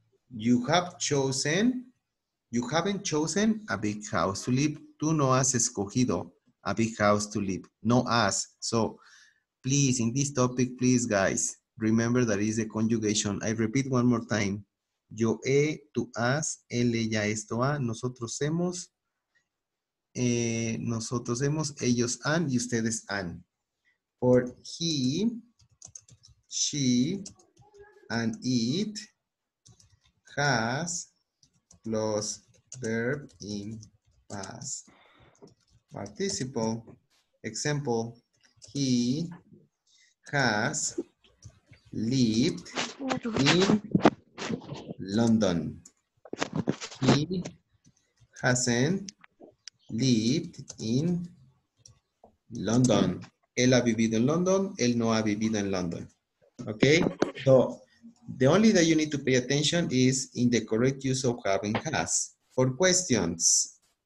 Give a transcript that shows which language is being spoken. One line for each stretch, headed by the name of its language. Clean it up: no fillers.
English: You have chosen, you haven't chosen a big house to live.
Spanish: Tú no has escogido
English: a big house to live.
Spanish: No has.
English: So, please, in this topic, please, guys, remember that is the conjugation. I repeat one more time.
Spanish: Yo he, tú has, él, ella, esto ha, nosotros hemos. Nosotros hemos, ellos han y ustedes han.
English: For he, she, and it has plus verb in past participle. Example, he has lived in London. He hasn't lived in London.
Spanish: Él ha vivido en London, él no ha vivido en London.
English: Okay? So, the only that you need to pay attention is in the correct use of have and has. For questions.